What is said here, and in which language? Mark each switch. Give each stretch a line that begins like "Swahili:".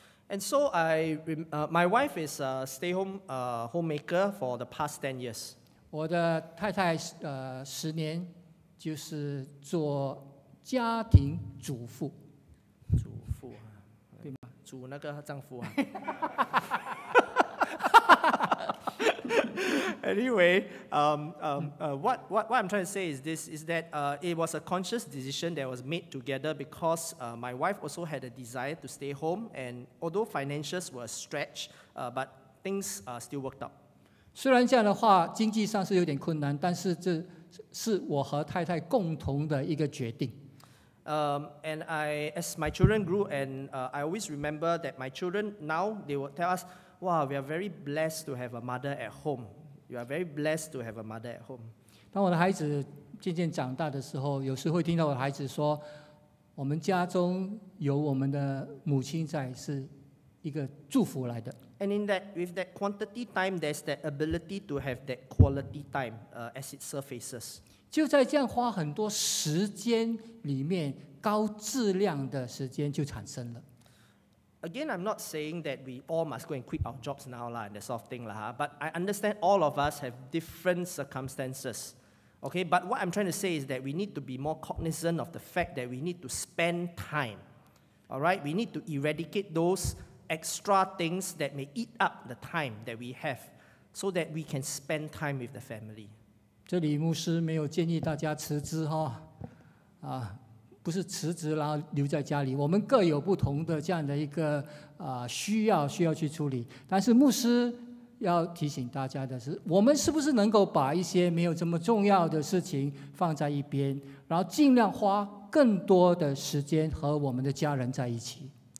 English: And so my wife is a stay-home homemaker for the past 10 years.
Chinese: 我的太太十年就是做家庭主妇。主妇啊，对吗？主那个丈夫啊。
English: Anyway, what I'm trying to say is this, is that it was a conscious decision that was made together because my wife also had a desire to stay home, and although finances were stretched, but things still worked out.
Chinese: 虽然这样的话经济上是有点困难，但是这是我和太太共同的一个决定。
English: And I, as my children grew, and I always remember that my children now, they will tell us, wow, we are very blessed to have a mother at home. You are very blessed to have a mother at home.
Chinese: 当我的孩子渐渐长大的时候，有时会听到我的孩子说，我们家中有我们的母亲在是一个祝福来的。
English: And in that, with that quantity time, there's that ability to have that quality time as it surfaces.
Chinese: 就在这样花很多时间里面，高质量的时间就产生了。
English: Again, I'm not saying that we all must go and quit our jobs now lah, and that sort of thing lah. But I understand all of us have different circumstances. Okay, but what I'm trying to say is that we need to be more cognizant of the fact that we need to spend time. All right, we need to eradicate those extra things that may eat up the time that we have, so that we can spend time with the family.
Chinese: 这里牧师没有建议大家辞职哈，啊，不是辞职然后留在家里。我们各有不同的这样的一个啊需要，需要去处理。但是牧师要提醒大家的是，我们是不是能够把一些没有这么重要的事情放在一边，然后尽量花更多的时间和我们的家人在一起。